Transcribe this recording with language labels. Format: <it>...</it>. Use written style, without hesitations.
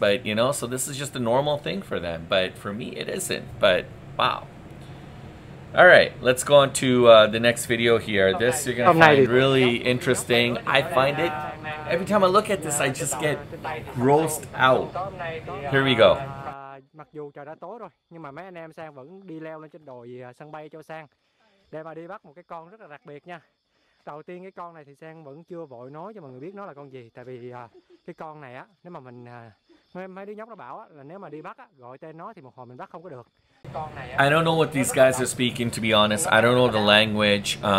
<en>But, you know, so this is just a normal thing for them. But for me, it isn't. But wow. All right, let's go on to the next video here. Okay. This you're going to find really interesting. I find it, every time I look at this, I just get grossed out. Here we go.</en> <vi>Mặc dù trời đã tối rồi, nhưng mà mấy anh em Sang vẫn đi leo lên trên đồi sân bay Châu Sang để mà đi bắt một cái con rất là đặc biệt nha. Đầu tiên cái con này thì Sang vẫn chưa vội nói cho mọi người biết nó là con gì. Tại vì cái con này á, nếu mà mình, mấy đứa nhóc nó bảo á, là nếu mà đi bắt á, gọi tên nó thì một hồi mình bắt không có được.</vi> <en>I don't know what these guys are speaking, to be honest. I don't know the language.</en>